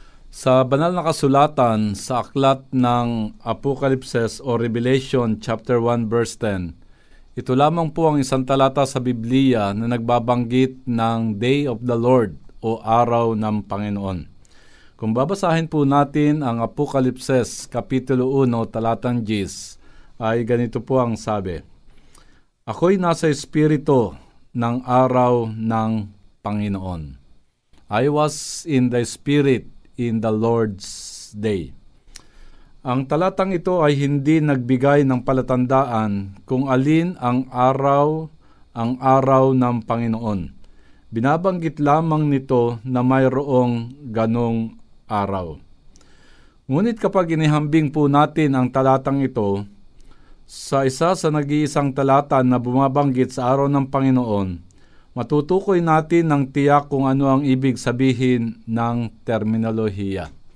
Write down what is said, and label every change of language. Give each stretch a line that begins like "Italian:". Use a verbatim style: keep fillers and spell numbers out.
Filipino: Sa banal na kasulatan sa aklat ng Apocalypse o Revelation chapter one verse ten, ito lamang po ang isang talata sa Biblia na nagbabanggit ng Day of the Lord o Araw ng Panginoon. Kung babasahin po natin ang Apocalypse kapitulo one talatang ten, ay ganito po ang sabi, "Ako'y nasa espiritu ng araw ng Panginoon.
English: I was in the spirit in the Lord's day."
Filipino: Ang talatang ito ay hindi nagbigay ng palatandaan kung alin ang araw, ang araw ng Panginoon. Binabanggit lamang nito na mayroong ganong araw. Ngunit kapag inihambing po natin ang talatang ito sa isa sa nag-iisang talata na bumabanggit sa araw ng Panginoon, matutukoy natin ng tiyak kung ano ang ibig sabihin ng terminolohiya.